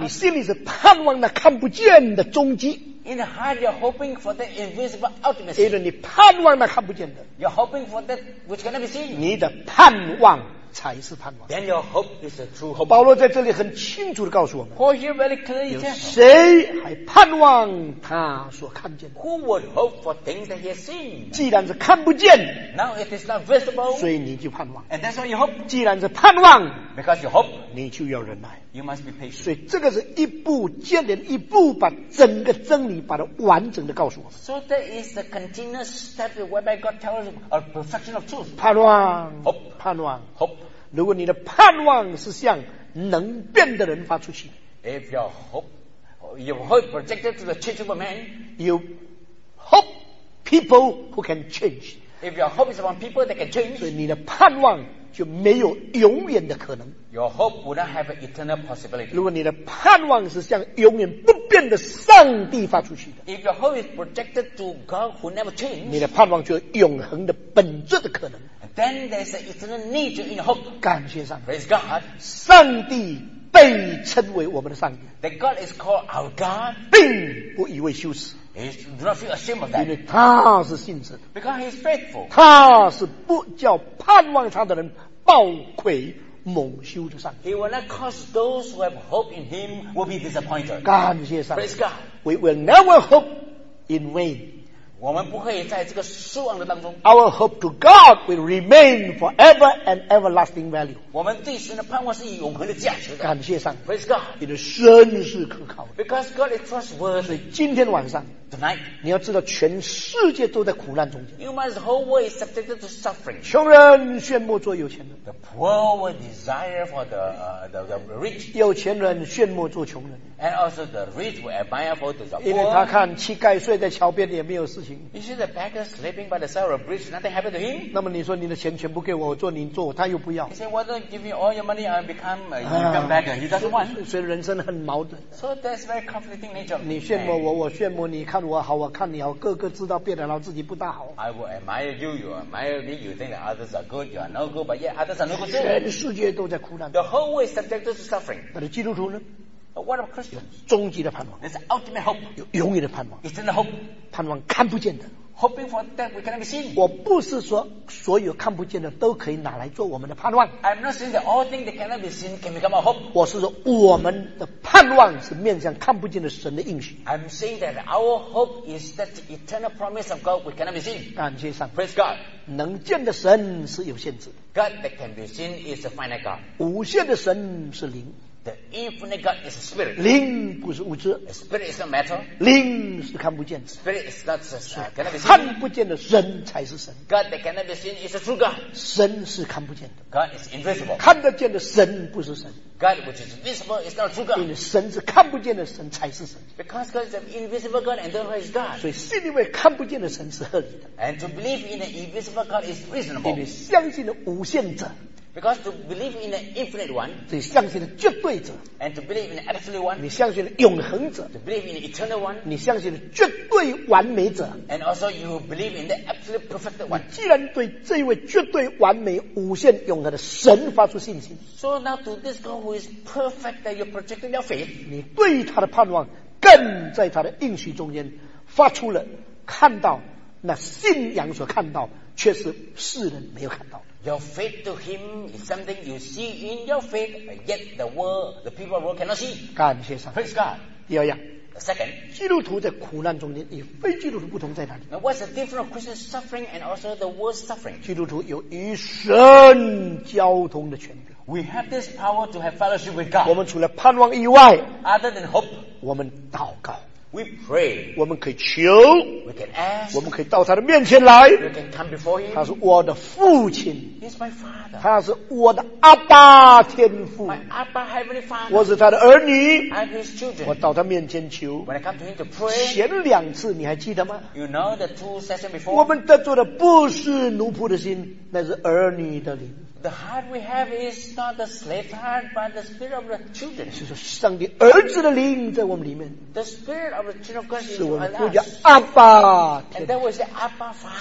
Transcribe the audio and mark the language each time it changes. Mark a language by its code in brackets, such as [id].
[zh] 你心里是盼望那看不见的终极 [en] In the heart you're hoping for the invisible ultimacy [zh] 因为你盼望那看不见的 [en] You're hoping for that which cannot be seen [zh] 你的盼望才是盼望 [en] Then your hope is a true hope [zh] 保罗在这里很清楚地告诉我们 [en] Paul here very clearly tells [zh] 有谁还盼望他所看见的 [en] Who would hope for things that he has seen [zh] 既然是看不见 [en] Now it is not visible [zh] 所以你就盼望 [en] And that's what you hope [zh] 既然是盼望 [en] Because you hope [zh] 你就要忍耐 [en] You must be patient. [zh] 所以这个是一步接连一步把整个真理把它完整的告诉我们。 [en] So that is the continuous step whereby God tells a perfection of truth. [zh] 盼望 [en] Hope. [zh] 盼望 [en] Hope. [zh] 如果你的盼望是向能变的人发出去 [en] If your hope projected to the changeable man, you hope people who can change. If your hope is about people that can change, [zh] 所以你的盼望就没有永远的可能。 [en] Your hope would not have an eternal possibility. [zh] 如果你的盼望是向永远不变的上帝发出去的， [en] If your hope is projected to God who never changes, [zh] 你的盼望就有永恒的本质的可能。 [en] Then there's an eternal need in hope. [zh] 感谢上帝。 [en] Praise God. [zh] 上帝被称为我们的上帝。 [en] That God is called our God. [zh] 并不以为羞耻。 [en] Do not feel ashamed of that. [zh] 因为他是信实的。 [en] Because he is faithful. [zh] 他是不叫盼望他的人抱愧蒙羞的上帝。 [en] He will not cause those who have hope in him will be disappointed. [zh] 感谢上帝。 [en] Praise God. We will never hope in vain. [zh] 我们不会在这个失望的当中。 [en] Our hope to God will remain forever and everlasting value. [zh] 我们对神的盼望是以永恒的价值的。感谢上帝。 [en] Praise God. [zh] 因为神是可靠的。 [en] Because God is trustworthy. [zh] 所以今天晚上。 [en] Tonight, [zh] 你要知道全世界都在苦难中间。 [en] You must, the whole world is subjected to suffering. [zh] 穷人羡慕做有钱人。 [en] The poor will desire for the rich. [zh] 有钱人羡慕做穷人。 [en] And also the rich will admire for the poor. [zh] 因为他看乞丐睡在桥边也没有事情。 [en] You see the beggar sleeping by the side of a bridge, nothing happened to him. [zh] 那么你说你的钱全部给我做您做他又不要。 [en] He said, why don't you give me all your money and become a income beggar? He doesn't want. [zh] 所以人生很矛盾。 [en] So that's very conflicting nature. [zh] 你羡慕我，我羡慕你，看我好，我看你好，个个知道别人好，自己不大好。 [en] I will admire you. You admire me. You think that others are good. You are no good. But yeah, others are no good too. [zh] 全世界都在苦难。 [en] The whole world is subjected to suffering. [zh] 但是基督徒呢？ [en] What about Christians? [zh] 终极的盼望。 [en] It's ultimate hope. [zh] 有永远的盼望。 [en] It's an hope. [zh] 盼望看不见的。 [en] Hoping for that we cannot be seen. [zh] 我不是说所有看不见的都可以拿来做我们的盼望。 [en] I'm not saying that all things that cannot be seen can become a hope. [zh] 我是说我们的盼望是面向看不见的神的应许。 [en] I'm saying that our hope is that the eternal promise of God we cannot be seen. [zh] 感谢上帝。 [en] Praise God. [zh] 能见的神是有限制。 [en] God that can be seen is a finite God. [zh] 无限的神是灵。 [en] The infinite God is a spirit. [zh] 灵不是物质。 [en] A spirit is not matter. [zh] 灵是看不见的。 [en] Spirit is not cannot be seen. [zh] 看不见的神才是神。 [en] God that cannot be seen is a true God. [zh] 神是看不见的。 [en] God is invisible. [zh] 看得见的神不是神。 [en] God which is visible is not a true God. [zh] 因为神是看不见的神才是神。 [en] Because God is an invisible God and therefore is God. [zh] 所以信一位看不见的神是合理的。 [en] And to believe in an invisible God is reasonable. [zh] 因为相信了无限者。 [en] Because to believe in an infinite one, [zh] 你相信了绝对者 [en] and to believe in an absolute one, [zh] 你相信了永恒者 [en] to believe in an eternal one, [zh] 你相信了绝对完美者 [en] and also you believe in the absolute perfect one. [zh] 你既然对这位绝对完美无限永恒的神发出信心 [en] so now to this God who is perfect that you're projecting your faith, [zh] 你对他的盼望更在他的应许中间发出了看到那信仰所看到却是世人没有看到的。 [en] Your faith to him is something you see in your faith, yet the people of the world cannot see. [zh] 感谢上帝。 [en] Praise God. [zh] 第二样。 [en] The second. [zh] 基督徒在苦难中间与非基督徒不同在哪里？ [en] Now, what's the difference of Christian suffering and also the world's suffering? [zh] 基督徒有与神交通的权柄。 [en] We have this power to have fellowship with God. [zh] 我们除了盼望以外， [en] other than hope, [zh] 我们祷告。 [en] We pray. [zh] 我们可以求。 [en] We can ask. [zh] 我们可以到他的面前来。 [en] We can come before him. [zh] 他是我的父亲。 [en] He's my father. [zh] 他是我的阿爸天父。 [en] My Abba heavenly father. [zh] 我是他的儿女。 [en] I'm his children. [zh] 我到他面前求。 [en] When I come to him to pray. [zh] 前两次你还记得吗？ [en] You know the two sessions before. [zh] 我们得做的不是奴仆的心，那是儿女的灵。 [en] The heart we have is not the slave heart, but the spirit of the children. [zh] 是上帝儿子的灵在我们里面。 [en] The spirit of the children of God is in us. Abba, and that was the Abba Father.